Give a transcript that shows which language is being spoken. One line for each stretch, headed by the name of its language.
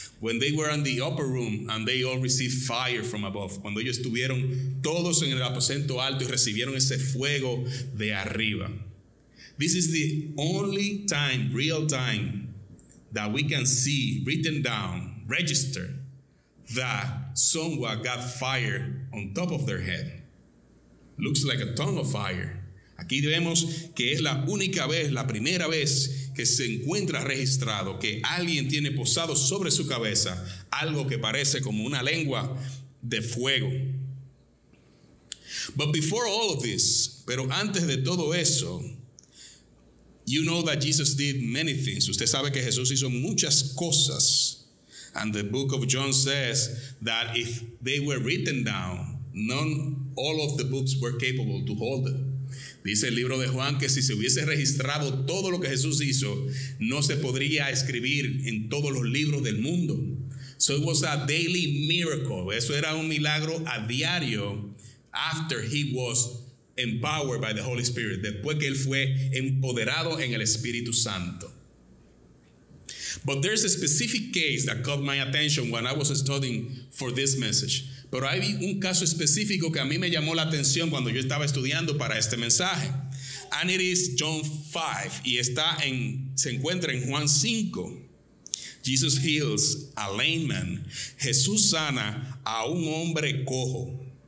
English: When they were in the upper room and they all received fire from above.
Spanish: Cuando ellos estuvieron todos en el aposento alto y recibieron ese fuego de arriba.
English: This is the only time, real time, that we can see written down, registered, that someone got fire on top of their head. Looks like a tongue of fire.
Spanish: Aquí vemos que es la única vez, la primera vez que se encuentra registrado que alguien tiene posado sobre su cabeza algo que parece como una lengua de fuego.
English: But before all of this,
Spanish: pero antes de todo eso,
English: you know that Jesus did many things.
Spanish: Usted sabe que Jesús hizo muchas cosas.
English: And the book of John says that if they were written down, none all of the books were capable to hold them.
Spanish: Dice el libro de Juan que si se hubiese registrado todo lo que Jesús hizo, no se podría escribir en todos los libros del mundo.
English: So it was a daily miracle.
Spanish: Eso era un milagro a diario
English: after he was empowered by the Holy Spirit.
Spanish: Después que él fue empoderado en el Espíritu Santo.
English: But there's a specific case that caught my attention when I was studying for this message.
Spanish: Pero hay un caso específico que a mí me llamó la atención cuando yo estaba estudiando para este mensaje.
English: And it is John 5.
Spanish: Y está en, se encuentra en Juan 5.
English: Jesus heals a lame man.
Spanish: Jesús sana a un hombre cojo.